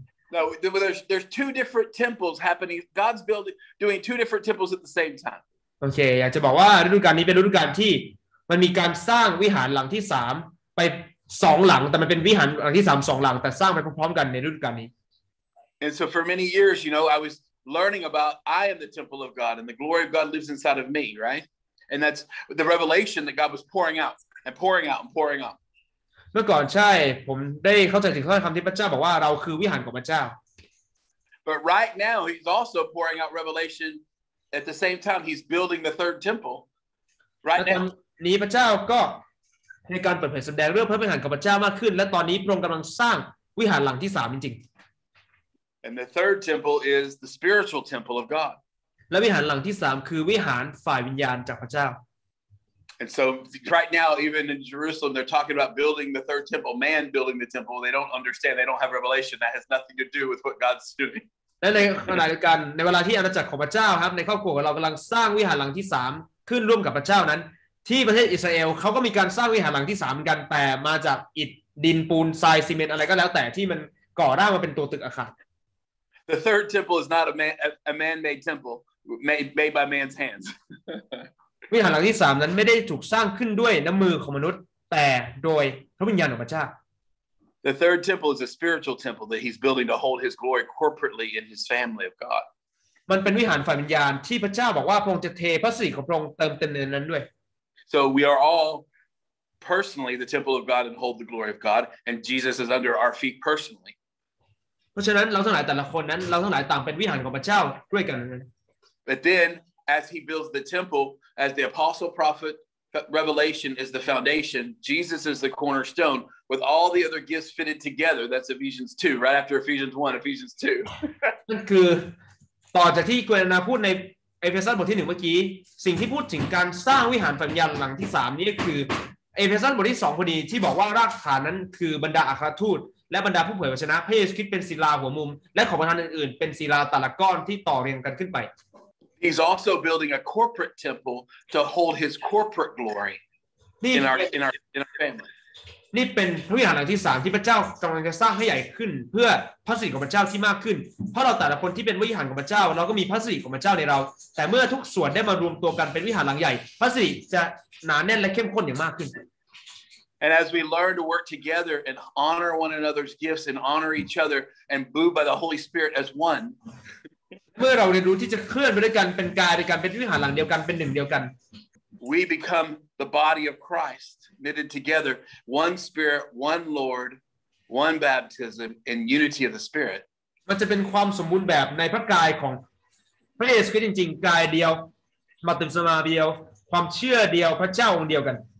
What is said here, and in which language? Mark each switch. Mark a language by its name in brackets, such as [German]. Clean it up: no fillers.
[English] No, there's two different temples happening. God's building, doing two different temples at the same time. [Thai] Okay, อยากจะบอกว่าฤดูกาลนี้เป็นฤดูกาลที่มันมีการสร้างวิหารหลังที่3ไป2หลังแต่มันเป็นวิหารหลังที่3 2หลังแต่สร้างไปพร้อมๆกันในฤดูกาลนี้ [English] And so for many years, you know, I was learning about I am the temple of God and the glory of God lives inside of me, right? And that's the revelation that God was pouring out and pouring out and pouring out. [Thai] เมื่อก่อนใช่ผมได้เข้าใจถึงคําที่พระเจ้าบอกว่าเราคือวิหารของพระเจ้า [English] But right now he's also pouring out revelation at the same time he's building the third temple. Right now [Thai] นี้พระเจ้าก็ในการเปิดเผยแสดงเรื่องพระวิหารของพระเจ้ามากขึ้นและตอนนี้พระองค์กำลังสร้างวิหารหลังที่3จริง [English] ๆ And the third temple is the spiritual temple of God. [Thai] และวิหารหลังที่3คือวิหารฝ่ายวิญญาณจากพระเจ้า [English] And so right now even in Jerusalem they're talking about building the third temple, man building the temple. They don't understand, they don't have revelation that has nothing to do with what God's doing. [Thai] และในขณะเดียวกันในเวลาที่อาณาจักรของพระเจ้าครับในครอบครัวของเรากำลังสร้างวิหารหลังที่3ขึ้นร่วมกับพระเจ้านั้นที่ประเทศอิสราเอลเขาก็มีการสร้างวิหารหลังที่3กันแต่มาจากอิฐดินปูนทรายซีเมนต์อะไรก็แล้วแต่ที่มันก่อร่างมาเป็นตัวตึกอาคาร [English] The third temple is not a man-made temple made by man's hands [Thai] วิหารหลังที่3นั้นไม่ได้ถูกสร้างขึ้นด้วยน้ำมือของมนุษย์แต่โดยพระวิญญาณของพระเจ้า [English] The third temple is a spiritual temple that he's building to hold his glory corporately in his family of God [Thai] มันเป็นวิหารฝ่ายวิญญาณที่พระเจ้าบอกว่าพระองค์จะเทพระสิริของพระองค์เติมเต็มในนั้นด้วย [English] So we are all personally the temple of God and hold the glory of God, and Jesus is under our feet personally. [Thai] เพราะฉะนั้นเราทั้งหลายแต่ละคนนั้นเราทั้งหลายต่างเป็นวิหารของพระเจ้าด้วยกัน [English] But then, as he builds the temple, as the apostle, prophet, revelation is the foundation, Jesus is the cornerstone with all the other gifts fitted together. That's Ephesians 2, right after Ephesians 1, Ephesians 2. [Thai] นั่นคือต่อจากที่คุณอนาพูดในเอเฟซัสบทที่1เมื่อกี้สิ่งที่พูดถึงการสร้างวิหารฝ่ายวิญญาณหลังที่3นี้คือเอเฟซัสบทที่2พอดีที่บอกว่ารากฐานนั้นคือบรรดาอัครทูตและบรรดาผู้เผยพระชนะพระเยซูคริสต์เป็นศิลาหัวมุมและของประธานอื่นๆเป็นศิลาแต่ละก้อนที่ต่อเรียงกันขึ้นไป [English] He's also building a corporate temple to hold his corporate glory in our family [Thai] นี่เป็นพระวิหารหลังที่3ที่พระเจ้ากำลังจะสร้างให้ใหญ่ขึ้นเพื่อพระสิริของพระเจ้าที่มากขึ้นเพราะเราแต่ละคนที่เป็นวิหารของพระเจ้าเราก็มีพระสิริของพระเจ้าในเราแต่เมื่อทุกส่วนได้มารวมตัวกันเป็นวิหารหลังใหญ่พระสิริจะหนาแน่นและเข้มข้นอย่างมากขึ้น [English] And as we learn to work together and honor one another's gifts and honor each other and move by the Holy Spirit as one [Thai] เมื่อเราเรียนรู้ที่จะเคลื่อนไปด้วยกันเป็นกายเดียวกันเป็นวิหารหลังเดียวกันเป็นหนึ่งเดียวกัน [English] We become the body of Christ knitted together one spirit one Lord one baptism in unity of the spirit [Thai] มันจะเป็นความสมบูรณ์แบบในพระกายของพระเยซูคือจริงๆกายเดียวมาเต็มสมาเดียวความเชื่อเดียวพระเจ้าองค์เดียวกัน